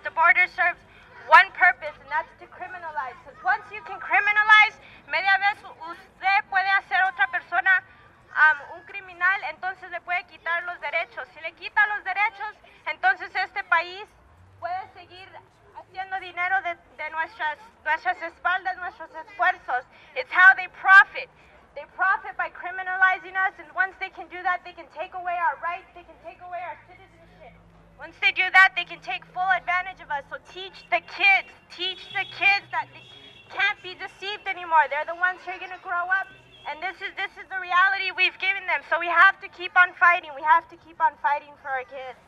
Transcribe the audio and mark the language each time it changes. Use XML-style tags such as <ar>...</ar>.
<en>The border serves one purpose, and that's to criminalize. So once you can criminalize,</en> <es>media vez usted puede hacer otra persona un criminal, entonces le puede quitar los derechos. Si le quita los derechos, entonces este país puede seguir haciendo dinero de nuestras espaldas, nuestros esfuerzos.</es> <en>It's how they profit. They profit by criminalizing us, and once they can do that, they can take away our rights, they can take away our citizenship. Once they do that, they can take full advantage of us. So teach the kids that they can't be deceived anymore. They're the ones who are going to grow up, and this is the reality we've given them. So we have to keep on fighting. We have to keep on fighting for our kids.</en>